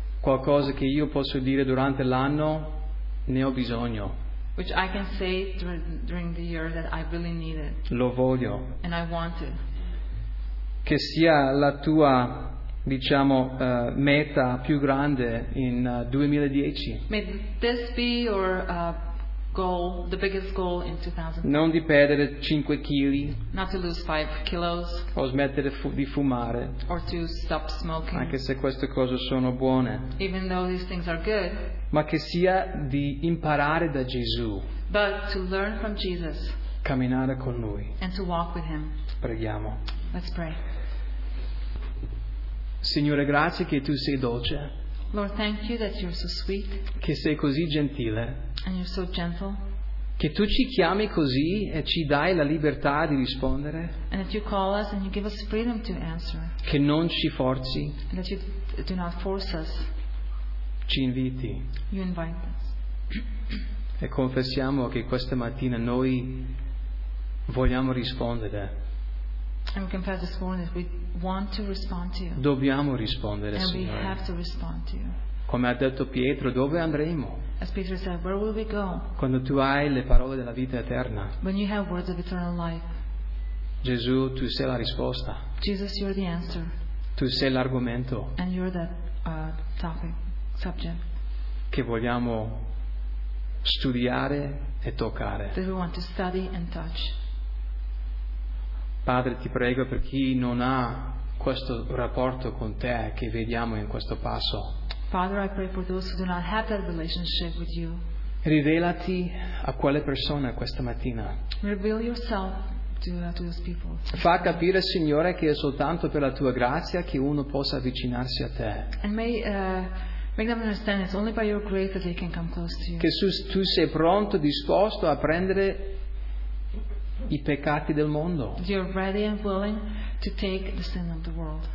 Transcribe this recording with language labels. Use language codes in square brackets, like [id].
[it] Qualcosa che io posso dire durante l'anno, ne ho bisogno. [en] Which I can say during the year that I really need it. [it] Lo voglio. [en] And I want it. [it] Che sia la tua, diciamo, meta più grande in 2010. [en] May this be your goal, the biggest goal in 2000. [it] Non di perdere 5 kg. [en] Not to lose 5 kilos. [it] O smettere di fumare. [en] Or to stop smoking. [it] Anche se queste cose sono buone. [en] Even though these things are good. [it] Ma che sia di imparare da Gesù. [en] But to learn from Jesus. [it] Camminare con lui. [en] And to walk with him. [it] Preghiamo. [en] Let's pray. [it] Signore, grazie che tu sei dolce. [en] Lord, thank you that you're so sweet. [it] Che sei così gentile. [en] And you're so gentle. [it] Che tu ci chiami così e ci dai la libertà di rispondere. [en] And that you call us and you give us freedom to answer. [it] Che non ci forzi. [en] And that you do not force us. [it] Ci inviti. [en] You invite us. [it] E confessiamo che questa mattina noi vogliamo rispondere. [en] And we confess this morning that we want to respond to you. [it] Dobbiamo rispondere, [en] and [it] Signore. [en] And we have to respond to you. [it] Come ha detto Pietro, dove andremo? [en] As Peter said, where will we go? [it] Quando tu hai le parole della vita eterna. [en] When you have words of eternal life. [it] Gesù, tu sei la risposta. [en] Jesus, you're the answer. [it] Tu sei l'argomento. [en] And you're the topic, subject. [it] Che vogliamo studiare e toccare. [en] That we want to study and touch. [it] Padre, ti prego per chi non ha questo rapporto con te che vediamo in questo passo. [en] Father, I pray for those who do not have that relationship with you. [it] Rivelati a quelle persone questa mattina. [en] Reveal yourself to those people. [it] Fa capire, Signore, che è soltanto per la tua grazia che uno possa avvicinarsi a te. [en] And may make them understand it's only by your grace that they can come close to you. [it] Che tu sei pronto, disposto a prendere i peccati del mondo. [en] You're ready and willing to take the sin of the world.